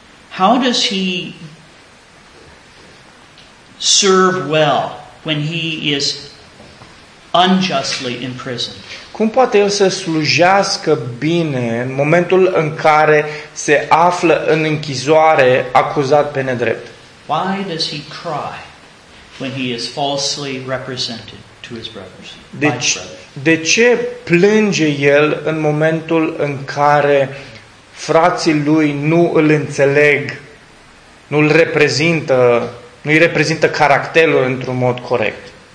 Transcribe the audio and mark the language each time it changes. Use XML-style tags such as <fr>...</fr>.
<en>How does he serve well when he is unjustly imprisoned?</en> <ro>Cum poate el să slujească bine în momentul în care se află în închisoare acuzat pe nedrept?</ro> <en>Why does he cry when he is falsely represented to his brothers?</en> <ro>De ce plânge el în momentul în care frații lui nu îl înțeleg, nu îl reprezintă, nu îi reprezintă caracterul într-un mod corect?</ro>